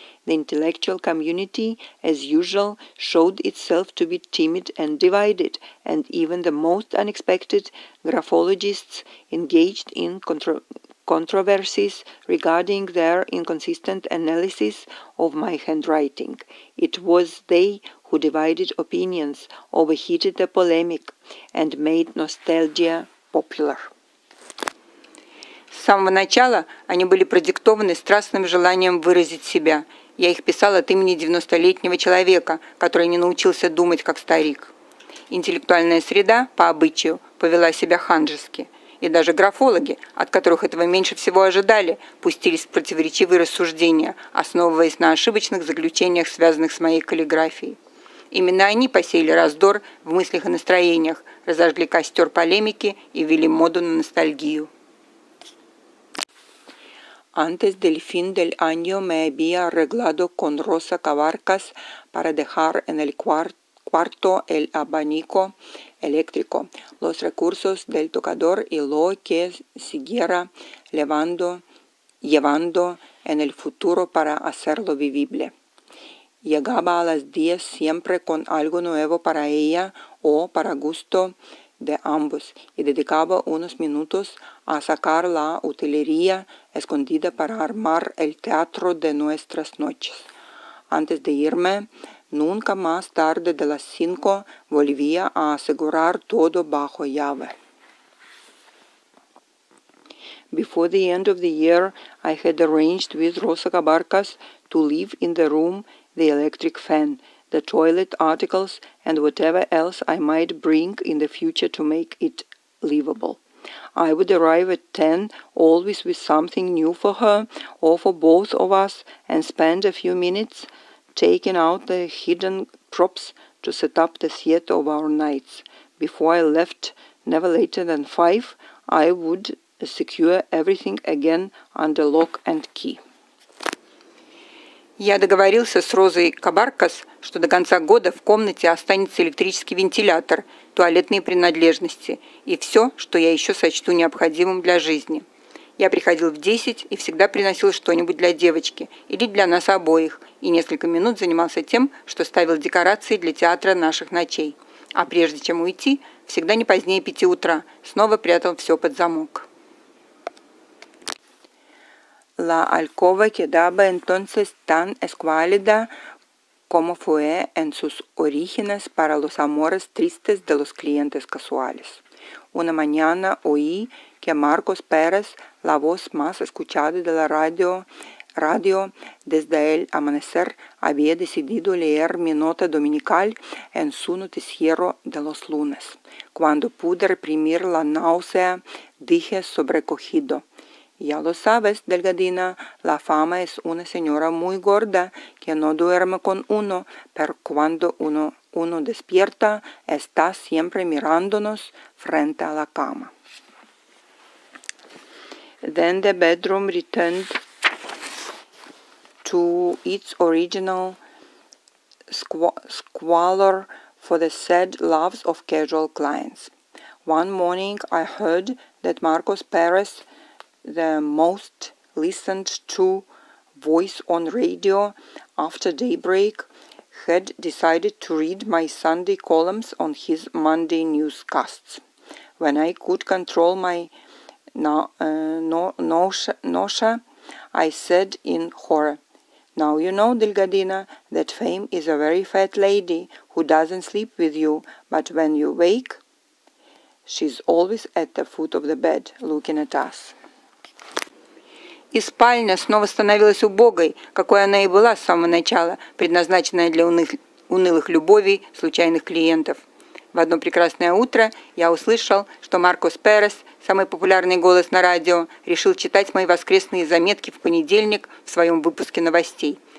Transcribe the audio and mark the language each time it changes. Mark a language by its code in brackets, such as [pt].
[en] The intellectual community, as usual, showed itself to be timid and divided, and even the most unexpected graphologists engaged in controversies regarding their inconsistent analysis of my handwriting. It was they who divided opinions, overheated the polemic, and made nostalgia popular. [ru] С самого начала они были продиктованы страстным желанием выразить себя. Я их писал от имени 90-летнего человека, который не научился думать как старик. Интеллектуальная среда, по обычаю, повела себя ханжески. И даже графологи, от которых этого меньше всего ожидали, пустились в противоречивые рассуждения, основываясь на ошибочных заключениях, связанных с моей каллиграфией. Именно они посеяли раздор в мыслях и настроениях, разожгли костер полемики и ввели моду на ностальгию. [es] Antes del fin del año me había arreglado con Rosa Cavarcas para dejar en el cuarto el abanico eléctrico, los recursos del tocador y lo que siguiera llevando en el futuro para hacerlo vivible. Llegaba a las 10 siempre con algo nuevo para ella o para gusto de ambos y dedicaba unos minutos a sacar la utilería escondida para armar el teatro de nuestras noches. Antes de irme, nunca más tarde de las 5 volvía a asegurar todo bajo llave. [en] Before the end of the year, I had arranged with Rosa Cavarcas to leave in the room the electric fan, the toilet articles, and whatever else I might bring in the future to make it livable. I would arrive at 10, always with something new for her or for both of us, and spend a few minutes taking out the hidden props to set up the theater of our nights. Before I left, never later than 5, I would secure everything again under lock and key. [ru] Я договорился с Розой Кабаркас, что до конца года в комнате останется электрический вентилятор, туалетные принадлежности и все, что я еще сочту необходимым для жизни. Я приходил в 10 и всегда приносил что-нибудь для девочки или для нас обоих и несколько минут занимался тем, что ставил декорации для театра наших ночей. А прежде чем уйти, всегда не позднее 5 утра, снова прятал все под замок. [es] La alcoba quedaba entonces tan escuálida como fue en sus orígenes para los amores tristes de los clientes casuales. Una mañana oí que Marcos Pérez, la voz más escuchada de la radio desde el amanecer, había decidido leer mi nota dominical en su noticiero de los lunes. Cuando pude reprimir la náusea, dije sobrecogido: «Ya lo sabes, delgadina, la fama es una señora muy gorda que no duerme con uno, pero cuando uno despierta, está siempre mirándonos frente a la cama». [en] Then the bedroom returned to its original squalor for the sad loves of casual clients. One morning I heard that Marcos Pérez, the most listened to voice on radio after daybreak, had decided to read my Sunday columns on his Monday newscasts. When I could control my nausea, I said in horror, "Now you know, Delgadina, that fame is a very fat lady who doesn't sleep with you, but when you wake, she's always at the foot of the bed looking at us." [ru] И спальня снова становилась убогой, какой она и была с самого начала, предназначенная для унылых любовей случайных клиентов. В одно прекрасное утро я услышал, что Маркос Перес, самый популярный голос на радио, решил читать мои воскресные заметки в понедельник в своем выпуске новостей.